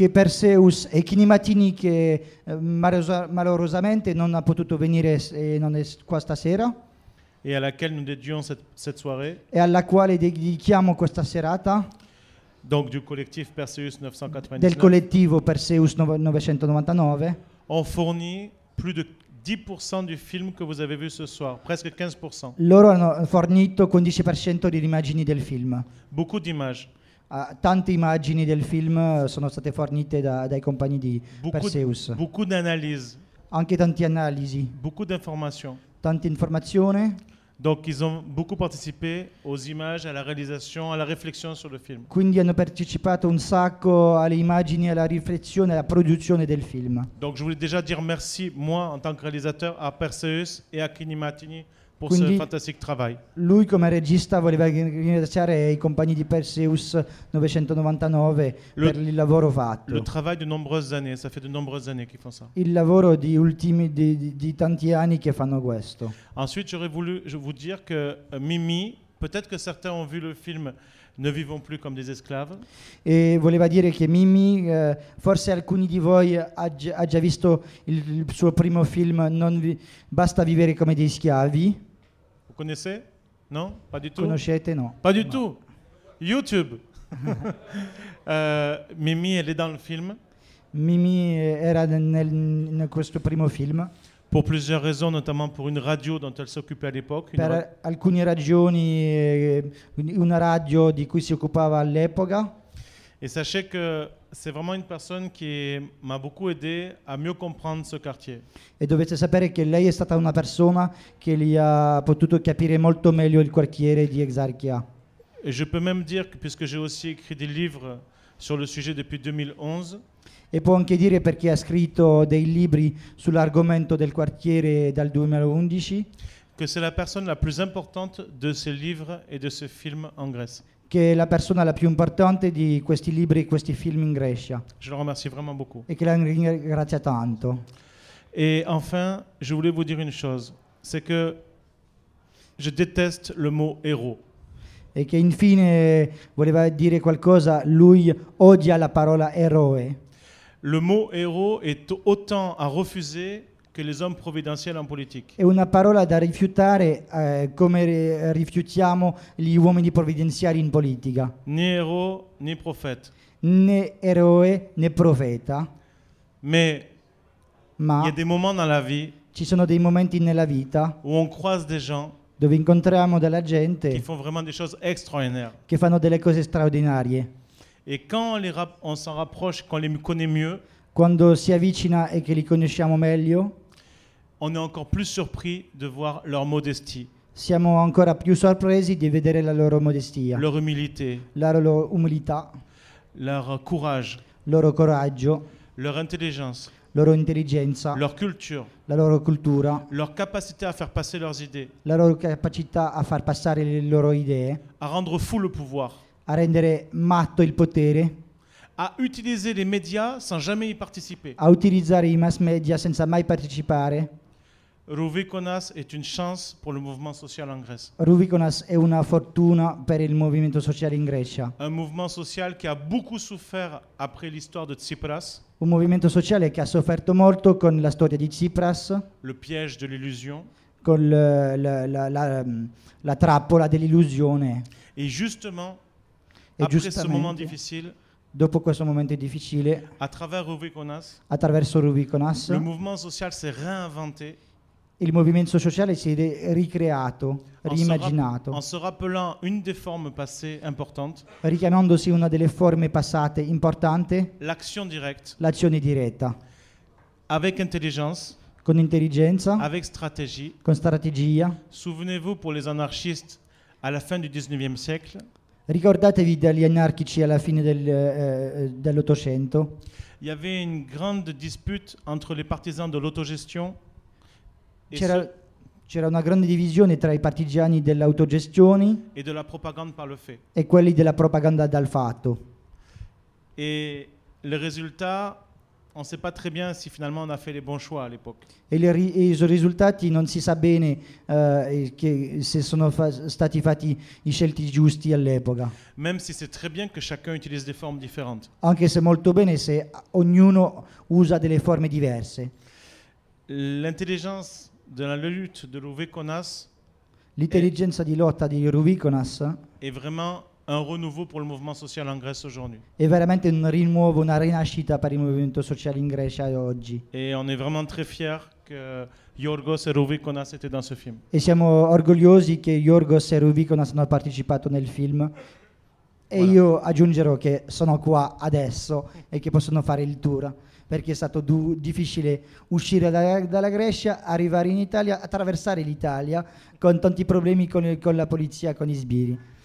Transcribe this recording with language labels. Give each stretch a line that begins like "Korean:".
Italian: Che Perseus e Kinimatini, che malheureusement non ha potuto venire e non è qua stasera.
French: Et à laquelle nous dédions cette soirée.
Italian: E alla quale dedichiamo questa serata.
French: Donc du collectif Perseus 999.
Italian: Del collettivo Perseus 999.
French: Ont fourni plus de 10% du film che vous avez vu ce soir, presque 15%.
Italian: Loro hanno fornito 15% delle immagini del film.
French: Beaucoup d'images.
Italian: Tante immagini del film sono state fornite dai compagni di Perseus.
French: Beaucoup d'analyse.
Italian: Anche tanti analisi.
French: Beaucoup d'informations.
Italian: Tante informazioni.
French: Donc ils ont beaucoup participé aux images, à la réalisation, à la réflexion sur le film.
Italian: Quindi hanno partecipato un sacco alle immagini, alla riflessione, alla produzione del film.
French: Donc je voulais déjà dire merci moi en tant que réalisateur à Perseus et à Kini Matini pour
Italian: quindi,
French: ce fantastique travail.
Italian: Lui come regista voleva ringraziare i compagni di Perseus 999 per il lavoro fatto.
French: Le travail de nombreuses années, ça fait de nombreuses années qu'ils font ça.
Italian: Il lavoro di ultimi di tanti anni che fanno questo.
French: Ensuite, j'aurais voulu je vous dire que Mimi, peut-être que certains ont vu le film Ne vivons plus comme des esclaves.
Italian: E voleva dire che Mimi, forse alcuni di voi ha già visto il suo primo film, Basta vivere come dei schiavi. Lo conosce? No?
French: Pas du tout.
Italian: Conoscete? No.
French: Pas du tout. YouTube. Mimi, elle est dans le film.
Italian: Mimi era in questo primo film.
French: Pour plusieurs raisons, notamment pour une radio dont elle s'occupait à l'époque.
Italian: Per alcune ragioni, una radio di cui si occupava all'epoca.
French: Et sachez que c'est vraiment une personne qui m'a beaucoup aidé à mieux comprendre ce quartier.
Italian: E dovete sapere che lei è stata una persona che gli ha potuto capire molto meglio il quartiere di Exarchia.
French: Et je peux même dire que puisque j'ai aussi écrit des livres sur le sujet depuis 2011.
Italian: E può anche dire perché ha scritto dei libri sull'argomento del quartiere dal 2011.
French: Que c'est la personne la plus importante de ces livres et de ce film en Grèce.
Italian: Che è la persona la più importante di questi libri e questi film in Grecia.
French: Je le remercie vraiment beaucoup.
Italian: E che la ringrazia tanto.
French: Et enfin, je voulais vous dire une chose, c'est que je déteste le mot héros.
Italian: E che infine voleva dire qualcosa, lui odia la parola eroe.
French: Le mot héros est autant à refuser que les hommes providentiels en politique.
Italian: È una parola da rifiutare come rifiutiamo gli uomini provvidenziali in politica.
French: Né héros, né prophète.
Italian: Né eroe, né profeta.
French: Mais il y a des moments dans la vie.
Italian: Ci sono dei momenti nella vita.
French: Où on croise des gens.
Italian: Dove incontriamo della gente.
French: Qui font vraiment des choses extraordinaires.
Italian: Che fanno delle cose straordinarie.
French: Et quand on s'en rapproche, quand on les connaît mieux,
Italian: quando si avvicina e che li conosciamo meglio,
French: on est encore plus surpris de voir leur modestie.
Italian: Siamo ancora più sorpresi di vedere la loro modestia.
French: Leur humilité.
Italian: La loro umiltà.
French: Leur courage.
Italian: Loro coraggio.
French: Leur intelligence.
Italian: Loro intelligenza.
French: Leur culture.
Italian: La loro cultura.
French: Leur capacité à faire passer leurs idées.
Italian: La loro capacità a far passare le loro idee.
French: À rendre fou le pouvoir.
Italian: A rendere matto il potere, a utilizzare i media senza
French: jamais y participer,
Italian: a utilizzare i mass media senza mai partecipare.
French: Rouvikonas est une chance pour le mouvement social en Grèce.
Italian: Rouvikonas è una fortuna per il movimento sociale in Grecia.
French: Un mouvement social qui a beaucoup souffert après l'histoire de Tsipras.
Italian: Un movimento sociale che ha sofferto molto con la storia di Tsipras.
French: Le piège de l'illusion.
Italian: Con la trappola dell'illusione.
French: Et justement. Et après ce moment difficile,
Italian: dopo questo momento difficile, attraverso Rubiconas,
French: le mouvement social s'est réinventé.
Italian: Il movimento sociale si è ricreato, rimaginato.
French: En se rappelant une des formes passées importantes.
Italian: Richiamandosi una delle forme passate importante.
French: L'action directe.
Italian: L'azione diretta.
French: Avec intelligence.
Italian: Con intelligenza.
French: Avec stratégie.
Italian: Con strategia.
French: Souvenez-vous pour les anarchistes à la fin du 19e siècle.
Italian: Ricordatevi degli anarchici alla fine dell'Ottocento.
French: Il y avait une grande dispute entre les partisans de l'autogestion.
Italian: C'era una grande divisione tra i partigiani dell'autogestione
French: et de la propagande par le fait.
Italian: E quelli della propaganda dal fatto.
French: Et le résultat, on sait pas très bien si finalement on a fait les bons choix à l'époque.
Italian: E i risultati non si sa bene che se sono stati fatti i scelti giusti all'epoca.
French: Même si c'est très bien que chacun utilise des formes différentes.
Italian: Anche se molto bene se ognuno usa delle forme diverse.
French: L'intelligence de la lutte de Rouvikonas.
Italian: L'intelligenza di lotta di Rouvikonas.
French: Est vraiment un renouveau pour le mouvement social en Grèce aujourd'hui.
Italian: È veramente un rinnovo, una rinascita per il movimento sociale in Grecia oggi.
French: Et on est vraiment très fiers que Yorgos et Rouvikonas étaient dans ce film.
Italian: E siamo orgogliosi che Yorgos e Rouvikonas hanno partecipato nel film. E voilà. Io aggiungerò che sono qua adesso e che possono fare il tour, perché è stato difficile uscire dalla Grecia, arrivare in Italia, attraversare l'Italia con tanti problemi con la polizia, con i sbirri.